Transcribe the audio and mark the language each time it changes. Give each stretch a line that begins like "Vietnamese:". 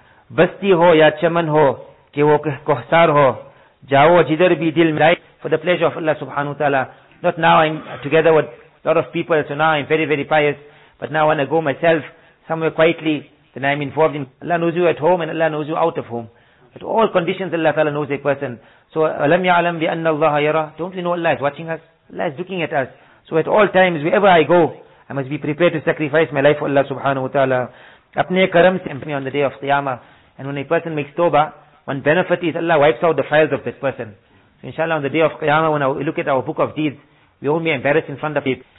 Urdu: Basti ho ya chaman ho, ke wo kohsar ho, jao jidhar bhi dil mein,
English: for the pleasure of Allah Subhanahu Wa Ta'ala. Not now I'm together with a lot of people, so now I'm very, very pious, but now I want to go myself somewhere quietly. Then I'm involved in, Allah knows you at home and Allah knows you out of home. At all conditions Allah Ta'ala knows a person.
Arabic: So, أَلَمْ يَعْلَمْ بِأَنَّ اللَّهَ يَرَى.
English: Don't we know Allah is watching us? Allah is looking at us. So at all times, wherever I go, I must be prepared to sacrifice my life for Allah subhanahu wa ta'ala. أَبْنِي كَرَمْ سِمْفِنِي on the day of Qiyamah. And when a person makes tawbah, one benefit is Allah wipes out the files of that person. So inshallah, on the day of Qiyamah, when we look at our book of deeds, we won't be embarrassed in front of it.